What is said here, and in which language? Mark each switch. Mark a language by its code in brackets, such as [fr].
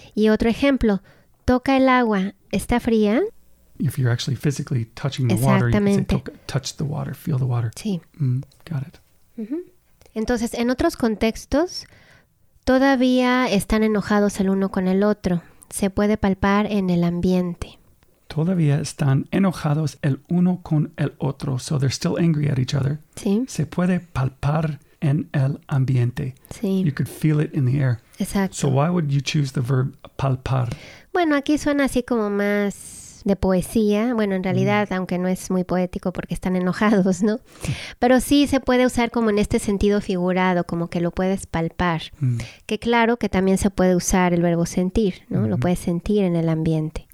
[es] Y otro ejemplo, toca el agua, ¿está fría? [en] If you're actually physically touching the water, you can say touch the water, feel the water. [es] Sí. [en] Mm, got it. Uh-huh. [es] Entonces, en otros contextos, todavía están enojados el uno con el otro. Se puede palpar en el ambiente. Todavía están enojados el uno con el otro. [en] So they're still angry at each other. [es] Sí. Se puede palpar en el ambiente. Sí. [en] You could feel it in the air. [es] Exacto. [en] So why would you choose the verb palpar? [es] Bueno, aquí suena así como más de poesía. Bueno, en realidad, aunque no es muy poético porque están enojados, ¿no? Pero sí se puede usar como en este sentido figurado, como que lo puedes palpar. Mm. Que claro que también se puede usar el verbo sentir, ¿no? Mm-hmm. Lo puedes sentir en el ambiente.